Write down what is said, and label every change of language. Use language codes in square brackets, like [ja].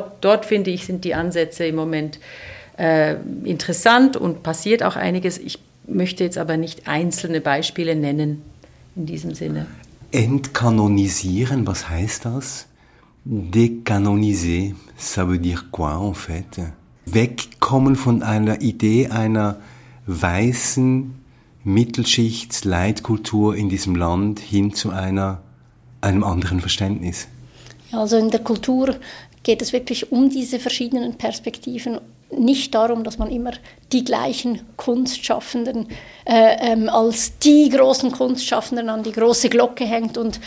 [de] Dort finde ich, sind die Ansätze im Moment interessant und passiert auch einiges. Ich möchte jetzt aber nicht einzelne Beispiele nennen in diesem Sinne. Entkanonisieren, was heißt das? [fr] Dekanoniser, ça veut dire quoi en fait? [de] Wegkommen von einer Idee einer weißen Mittelschichtsleitkultur in diesem Land hin zu einem anderen Verständnis. Also in der Kultur geht es wirklich um diese verschiedenen Perspektiven, nicht darum, dass man immer die gleichen Kunstschaffenden als die großen Kunstschaffenden an die große Glocke hängt.